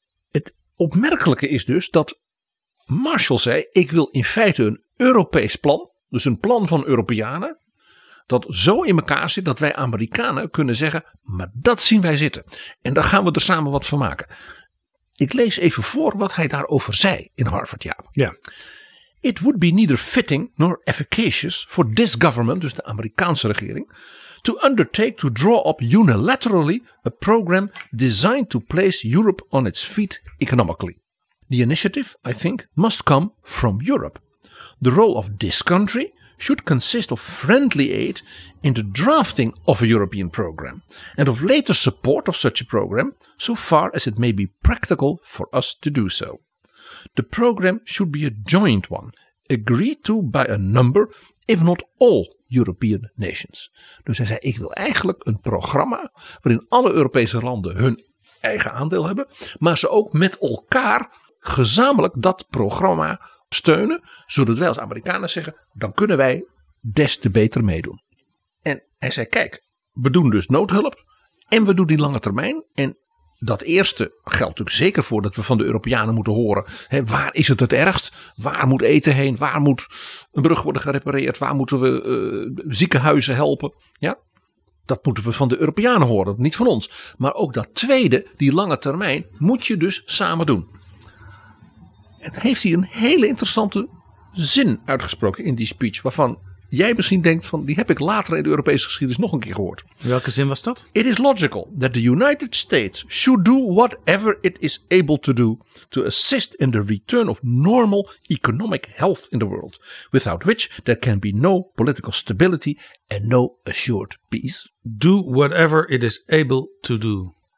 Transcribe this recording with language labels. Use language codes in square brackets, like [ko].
[nl] Het opmerkelijke is dus dat Marshall zei, ik wil in feite een Europees plan, dus een plan van Europeanen, dat zo in elkaar zit dat wij Amerikanen kunnen zeggen, maar dat zien wij zitten. En daar gaan we er samen wat van maken. Ik lees even voor wat hij daarover zei in Harvard, Jaap. Ja. [en] It would be neither fitting nor efficacious for this government, [nl] dus de Amerikaanse regering, [en] to undertake to draw up unilaterally a program designed to place Europe on its feet economically. The initiative, I think, must come from Europe. The role of this country should consist of friendly aid in the drafting of a European program and of later support of such a program so far as it may be practical for us to do so. The program should be a joint one, agreed to by a number, if not all, European nations. [nl] Dus hij zei, ik wil eigenlijk een programma waarin alle Europese landen hun eigen aandeel hebben, maar ze ook met elkaar gezamenlijk dat programma steunen, zodat wij als Amerikanen zeggen, dan kunnen wij des te beter meedoen. En hij zei, kijk, we doen dus noodhulp en we doen die lange termijn. En dat eerste geldt natuurlijk zeker voor dat we van de Europeanen moeten horen. Hè, waar is het ergst? Waar moet eten heen? Waar moet een brug worden gerepareerd? Waar moeten we ziekenhuizen helpen? Ja? Dat moeten we van de Europeanen horen, niet van ons. Maar ook dat tweede, die lange termijn, moet je dus samen doen. En heeft hij een hele interessante zin uitgesproken in die speech, waarvan jij misschien denkt van die heb ik later in de Europese geschiedenis nog een keer gehoord. In welke zin was dat? [en] It is logical that the United States should do whatever it is able to do to assist in the return of normal economic health in the world, without which there can be no political stability and no assured peace. Do whatever it is able to do.